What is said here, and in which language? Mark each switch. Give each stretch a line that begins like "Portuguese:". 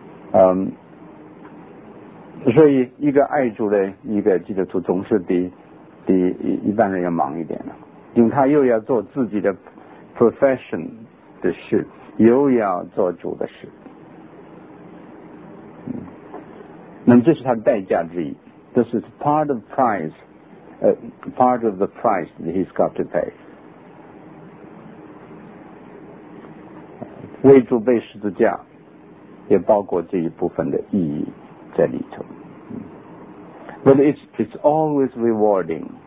Chinese: 嗯，所以一个爱主的一个基督徒总是比一般人要忙一点的，因为他又要做自己的 profession 的事，又要做主的事。那么这是他的代价之一。
English: This is part of price、part of the price that he's got to pay。
Chinese: 为主背十字架也包括这一部分的意义在里头。
English: But it's always rewarding.